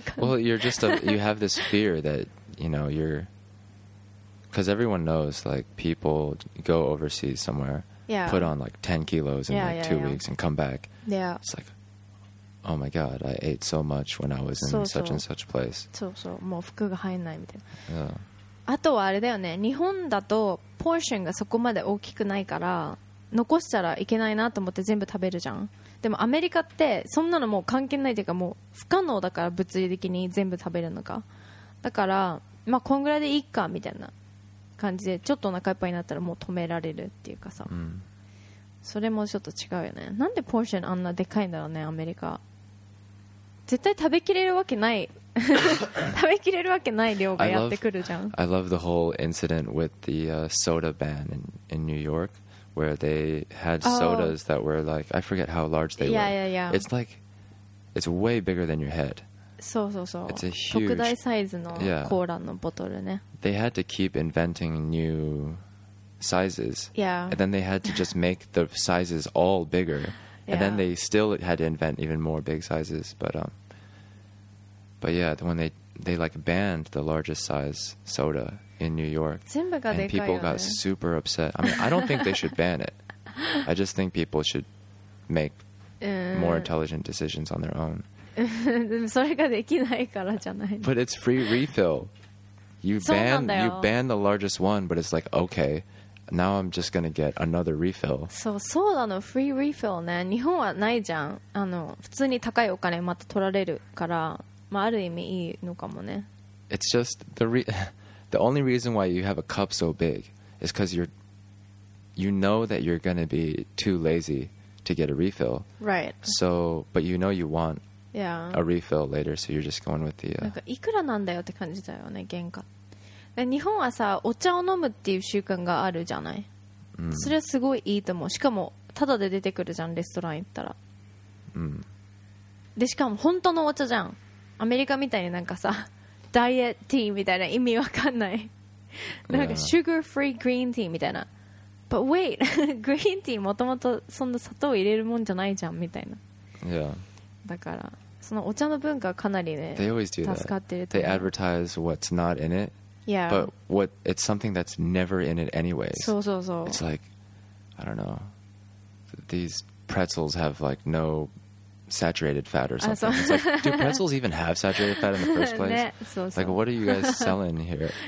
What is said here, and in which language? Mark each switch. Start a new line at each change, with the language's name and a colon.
English: Well, you're just a, you have this fear that you know you're because everyone knows like people go overseas somewhere, yeah. put on like 10 kilos in like two weeks and come back. Yeah, it's like, oh my god, I ate so much when I was in such and such place.
Japanese: そうそう、もう服が入んないみたいな。
English: Yeah.
Japanese: あとはあれだよね、日本だとポーションがそこまで大きくないから残したらいけないなと思って全部食べるじゃん。でもアメリカってそんなのもう関係ないというかもう不可能だから物理的に全部食べるのかだからまあこんぐらいでいいかみたいな感じでちょっとお腹いっぱいになったらもう止められるっていうかさ、うん、それもちょっと違うよねなんでポーションあんなでかいんだろうねアメリカ絶対食べきれるわけない食べきれるわけない量がやってくるじゃん
English: I love the whole incident with the、soda ban in New YorkWhere they had sodas、oh. that were like, I forget how large they yeah, were. Yeah, yeah, yeah. It's like, it's way bigger than your head. So, so, so. It's a huge...
Japanese: 特大サイズの、yeah. コーラのボトルね。
English: They had to keep inventing new sizes. Yeah. And then they had to just make the sizes all bigger. And、yeah. then they still had to invent even more big sizes. But, But yeah, when they like banned the largest size soda in New York, and people got super upset. I mean, I don't think they should ban it. I just think people should make more intelligent decisions on their own. But it's free refill. You ban the largest one, but it's like, okay, now I'm just gonna get another refill.
Japanese: So, そうなの、
English: free refill
Japanese: ね。日本はないじゃん。あの、普通に高いお金また取られるから、まあ、ある意味いいのかもね。
English: It's just the only reason why you have a cup so big is because you know that you're gonna be too lazy to get a refill. Right. So, but you know you want. Yeah. A refill later, so you're just going with the.
Japanese: なんかいくらなんだよって感じだよね、原価。で、日本はさ、お茶を飲むっていう習慣があるじゃない。それはすごいいいと思う。しかもタダで出てくるじゃん、レストラン行ったら。で、しかも本当のお茶じゃん。アメリカみたいになんかさ、ダイエットティーみたいな意味わかんない。なんか
English: sugar free green tea
Japanese: みたいな。
English: But wait, green tea
Japanese: もともとそんな砂糖入れるもんじゃないじゃんみたいな。
English: Yeah.
Japanese: だからそのお茶の文化かなりね助かってると思う。
English: They advertise what's not in it, yeah. But what it's something that's never in it anyways.
Japanese: そうそうそう。
English: It's like I don't know. These pretzels have like no saturated fat or something. It's like, do pretzels even have saturated fat in the first place?
Japanese: ね、そうそう。
English: Like what are you guys selling here?